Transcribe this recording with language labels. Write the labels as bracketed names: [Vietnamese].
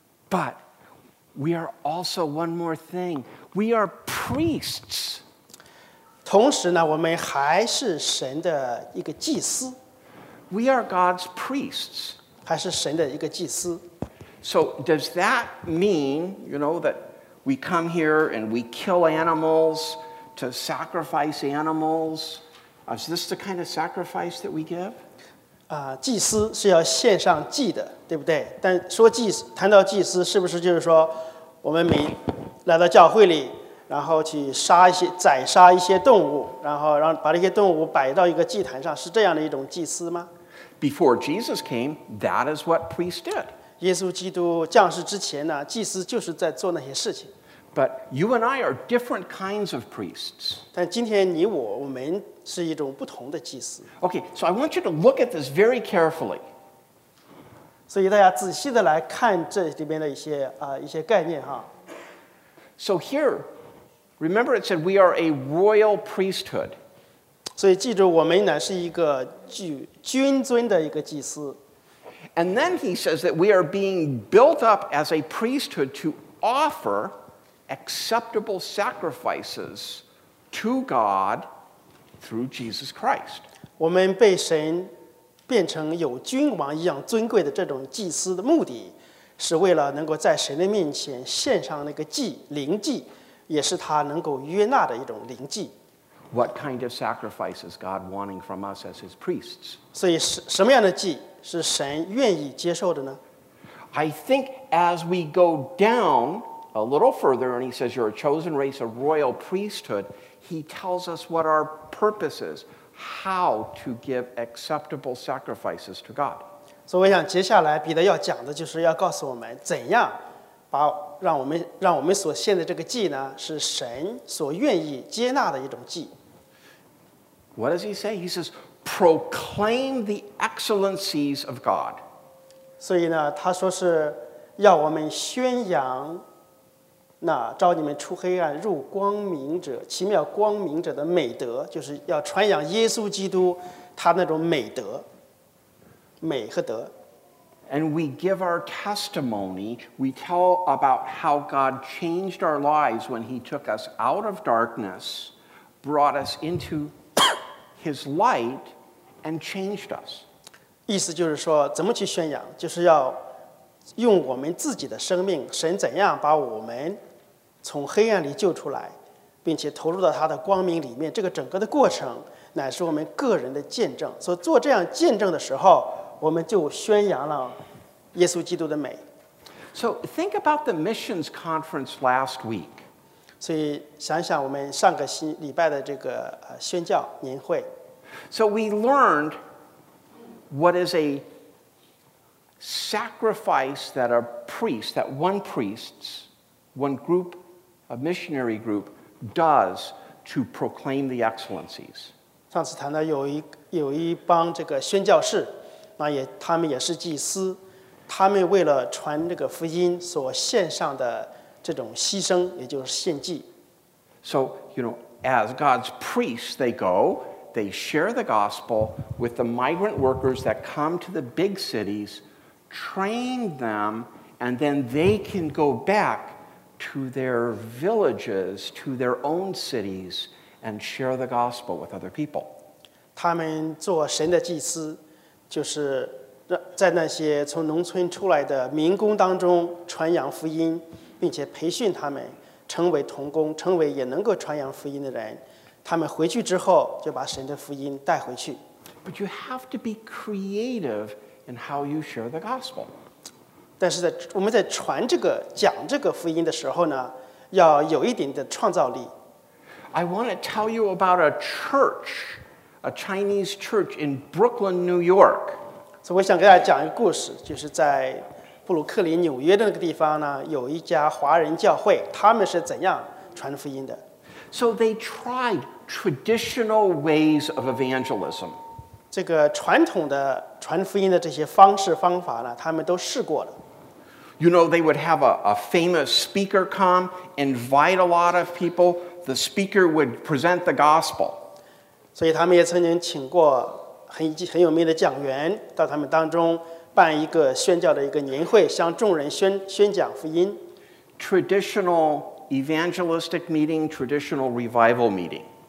[English] But we are also one more thing. We are priests. [Chinese] 同时呢，我们还是神的一个祭司。 [English] We are God's priests. [Chinese] 还是神的一个祭司。 [English] So does that mean, you know, that we come here and we kill animals to sacrifice animals? Is this the kind of sacrifice that we give? [Chinese] 祭司是要献上祭的，对不对？但说祭司，谈到祭司，是不是就是说我们每来到教会里，然后去杀一些宰杀一些动物，然后让把这些动物摆到一个祭坛上，是这样的一种祭司吗？ [English] Before Jesus came, that is what priests did. [Chinese] 耶稣基督降世之前呢，祭司就是在做那些事情。 [English] But you and I are different kinds of priests. [Chinese] 但今天你我，我们是一种不同的祭司。 [English] Okay, so I want you to look at this very carefully. [Chinese] 所以大家仔细的来看这里边的一些概念哈。 [English] So here, remember it said we are a royal priesthood. [Chinese] 所以记住，我们呢是一个君尊的一个祭司。 [English] And then he says that we are being built up as a priesthood to offer acceptable sacrifices to God through Jesus Christ. [Chinese] 我们被神变成有君王一样尊贵的这种祭司的目的，是为了能够在神的面前献上那个祭，灵祭，也是他能够悦纳的一种灵祭。 [English] What kind of sacrifice is God wanting from us as his priests? [Chinese] 所以什么样的祭是神愿意接受的呢? [English] I think as we go down a little further and he says you're a chosen race, a royal priesthood, he tells us what our purpose is, how to give acceptable sacrifices to God. [Chinese] 所以我想接下来彼得要讲的就是要告诉我们怎样把让我们所献的这个祭呢是神所愿意接纳的一种祭。 [English] What does he say? He says, proclaim the excellencies of God. [Chinese] 所以呢他说是要我们宣扬那召你们出黑暗入光明者奇妙光明者的美德，就是要传扬耶稣基督他那种美德美和德。 [English] And we give our testimony, we tell about how God changed our lives when he took us out of darkness, brought us into his light, and changed us. [Chinese] 意思就是说怎么去宣扬，就是要用我们自己的生命，神怎样把我们从黑暗里救出来，并且投入到他的光明里面，这个整个的过程乃是我们个人的见证。所以做这样见证的时候，我们就宣扬了耶稣基督的美。 [English] So think about the missions conference last week. [Chinese] 所以想想我们上个礼拜的这个宣教年会。 [English] So we learned what is a sacrifice that a priest, that one priest, one group, a missionary group, does to proclaim the excellencies. [Chinese] 上次谈到有一帮这个宣教士。那也他们也是祭司，他们为了传这个福音所献上的这种牺牲，也就是献祭。 [English] So, you know, as God's priests, they go, they share the gospel with the migrant workers that come to the big cities, train them, and then they can go back to their villages, to their own cities, and share the gospel with other people. [Chinese] 他们做神的祭司。就是在那些从农村出来的民工当中传扬福音，并且培训他们成为同工，成为也能够传扬福音的人。他们回去之后就把神的福音带回去。 [English] But you have to be creative in how you share the gospel. [Chinese] 但是在我们在传这个讲这个福音的时候呢，要有一点的创造力。 [English] I want to tell you about a church. A Chinese church in Brooklyn, New York. So, I want to tell you a story. It's in [Chinese] 布鲁克林纽约的那个地方呢，有一家华人教会，他们是怎样传福音的。 [English] So they tried traditional ways of evangelism. [Chinese] 这个传统的传福音的这些方式方法呢，他们都试过了。 [English] You know, they would have a famous speaker come, invite a lot of people. The speaker would present the gospel. [Chinese] 所以他们也曾经请过很有名的讲员到他们当中办一个宣教的一个年会，向众人宣讲福音。 [English] Traditional evangelistic meeting, traditional revival meeting.